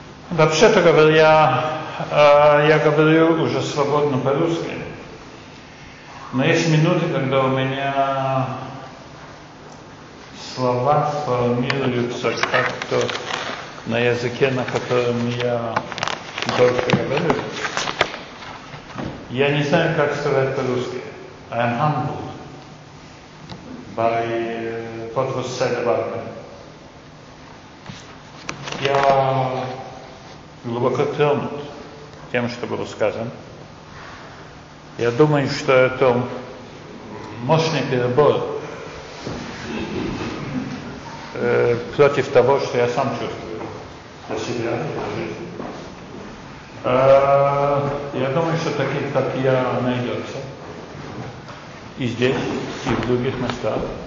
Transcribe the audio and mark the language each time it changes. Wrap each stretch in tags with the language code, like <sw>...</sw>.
<ru>Вообще-то говоря, я говорю уже свободно по-русски, но есть минуты, когда у меня слова формируются как-то на языке, на котором я больше говорю. Я не знаю, как сказать по-русски.</ru> <en>I am humbled by what was said about me.</en> <ru>Я глубоко тронут тем, что было сказано. Я думаю, что это мощный перебор против того, что я сам чувствую для себя, для жизни. Я думаю, что таких, как я, найдется и здесь, и в других местах.</ru>